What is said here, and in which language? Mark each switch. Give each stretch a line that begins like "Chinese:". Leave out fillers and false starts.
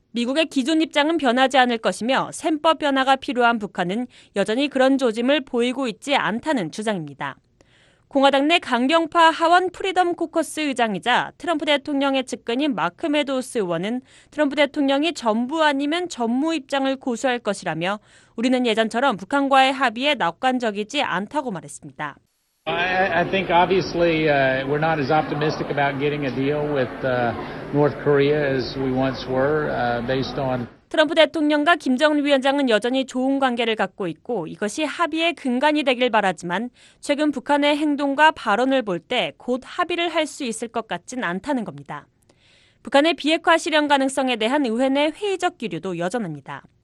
Korean: 미국의 기존 입장은 변하지 않을 것이며 셈법 변화가 필요한 북한은 여전히 그런 조짐을 보이고 있지 않다는 주장입니다. 공화당 내 강경파 하원 프리덤 코커스 의장이자 트럼프 대통령의 측근인 마크 메도우스 의원은 트럼프 대통령이 전부 아니면 전무 입장을 고수할 것이라며 우리는 예전처럼 북한과의 합의에 낙관적이지 않다고 말했습니다.
English: I think obviously we're not as optimistic about getting a deal with North Korea as we once were based on
Korean: 트럼프 대통령과 김정은 위원장은 여전히 좋은 관계를 갖고 있고 이것이 합의의 근간이 되길 바라지만 최근 북한의 행동과 발언을 볼 때 곧 합의를 할 수 있을 것 같진 않다는 겁니다. 북한의 비핵화 실현 가능성에 대한 의회 내 회의적 기류도 여전합니다.